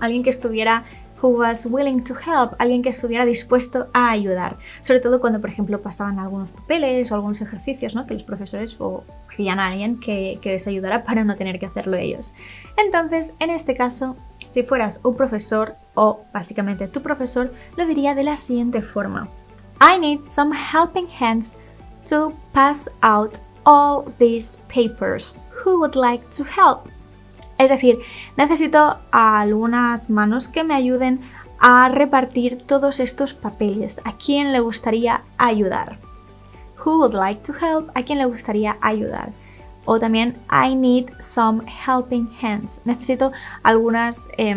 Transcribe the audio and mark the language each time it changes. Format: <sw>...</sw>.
<es>Alguien que estuviera,</es> <en>who was willing to help,</en> <es>alguien que estuviera dispuesto a ayudar. Sobre todo cuando, por ejemplo, pasaban algunos papeles o algunos ejercicios, ¿no? Que los profesores pedían a alguien que les ayudara para no tener que hacerlo ellos. Entonces, en este caso, si fueras un profesor o básicamente tu profesor, lo diría de la siguiente forma.</es> <en>I need some helping hands to pass out all these papers. Who would like to help?</en> <es>Es decir, necesito algunas manos que me ayuden a repartir todos estos papeles. ¿A quién le gustaría ayudar?</es> <en>Who would like to help?</en> <es>¿A quién le gustaría ayudar? O también,</es> <en>I need some helping hands.</en> <es>Necesito algunas</es>